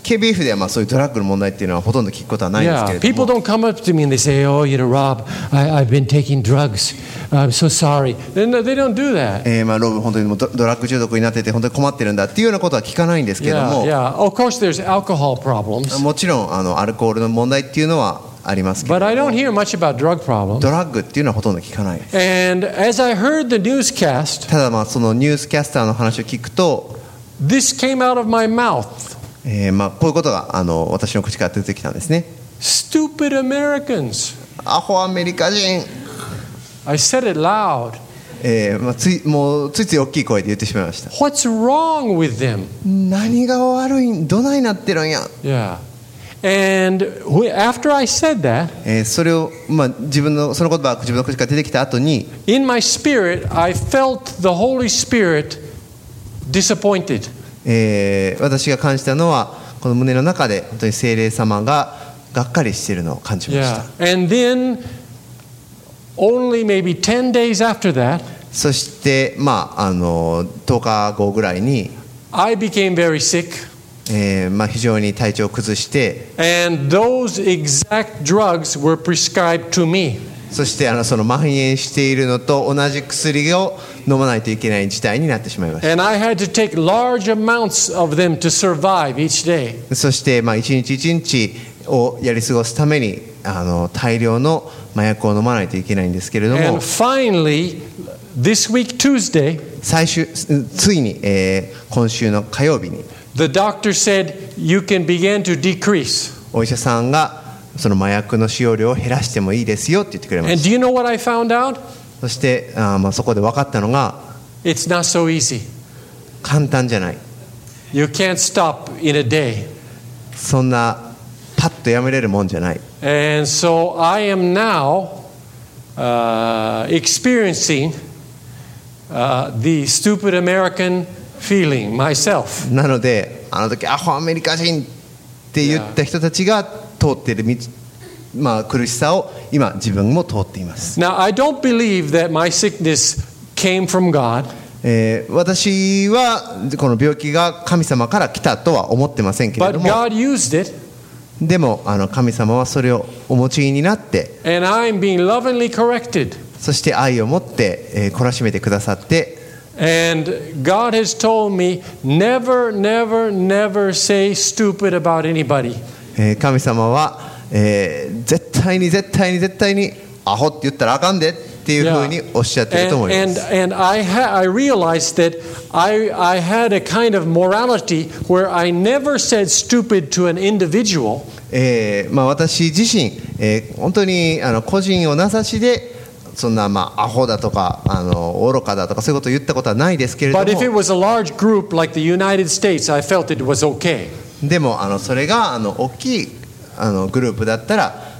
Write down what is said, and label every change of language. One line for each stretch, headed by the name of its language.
Japanese: KBF ではまあそういうドラッグの問題っていうのはほとんど聞くことはないんですけれども。
English: Yeah, people don't come up to me and they say, "Oh, you know, Rob, I've been taking drugs. I'm so sorry." They don't do that.
Japanese: まあロブ本当にもドラッグ中毒になってて本当に困ってるんだっていうようなことは聞かないんですけれども。
English: Yeah, of course, there's alcohol problems.
Japanese: もちろんアルコールの問題っていうのは。
English: But I don't hear much about drug problems.
Japanese: ドラッグっていうのはほとんど聞かない。
English: And as I heard the newscast,
Japanese: ただまあそのニュースキャスターの話を聞くと、
English: this came out of my mouth.
Japanese: まあこういうことが私の口から出てきたんですね。
English: Stupid Americans.
Japanese: アホアメリカ人。
English: I said it loud.
Japanese: まあついつい大きい声で言ってしまいました。
English: What's wrong with them?
Japanese: 何が悪い、どないなってるんや。
English: Yeah. And after I said that,
Japanese: それをまあ自分のその言葉が自分の口から出てきた後に、
English: in my spirit, I felt the Holy Spirit disappointed.
Japanese: 私が感じたのはこの胸の中で本当に聖霊様ががっかりしているのを感じました。
English: Yeah. And then only maybe 10 days after that,
Japanese: そしてまあ10日後ぐらいに、
English: I became very sick.
Japanese: まあ、非常に体調を崩して、
English: And those exact drugs were prescribed to me.
Japanese: そしてその蔓延しているのと同じ薬を飲まないといけない事態になってしまいました。
English: And I had to take large amounts of them to survive each day.
Japanese: そして、まあ、一日一日をやり過ごすために大量の麻薬を飲まないといけないんですけれども、
English: And finally, this week, Tuesday,
Japanese: ついに、今週の火曜日に
English: The doctor said you can begin to decrease.
Japanese: お医者さんがその麻薬の使用量を減らしてもいいですよって言ってくれました。
English: And do you know what I found out?
Japanese: そしてまあそこで分かったのが、
English: It's not so easy.
Japanese: 簡単じゃない。
English: You can't stop in a day.
Japanese: そんなパッとやめれるもんじゃない。
English: And so I am now experiencing the stupid American. Feeling myself.
Japanese: なのであの時アホアメリカ人って言った人たちが通っている、まあ、苦しさを今自分も通っています。
English: Now, I don't believe that my sickness came from God.
Japanese: 私はこの病気が神様から来たとは思ってませんけれども、
English: But God used it.
Japanese: でも神様はそれをお持ちになって、
English: And I'm being lovingly corrected.
Japanese: そして愛を持って、懲らしめてくださって、
English: And God has told me never, never, never say stupid about anybody.
Japanese: 神様は、絶対に絶対に絶対にアホって言ったらあかんでっていうふうにおっしゃってると思います。
English: And I realized that I had a kind of morality where I never said stupid to an individual.
Japanese: まあ私自身、本当に個人を名指しでそんなまあアホだとかあの愚かだとかそういうことを言ったことはないですけれども。
English: But if it was a large group like the United States, I felt it was okay.
Japanese: でもあのそれがあの大きいあのグループだったら。